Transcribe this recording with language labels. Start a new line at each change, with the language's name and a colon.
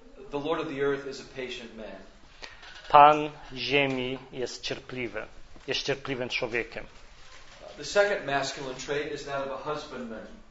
English: The Lord of the Earth is a patient man.
Polish: Pan Ziemi jest cierpliwy. Jest cierpliwym człowiekiem.
English: The second masculine trait is that of a husbandman.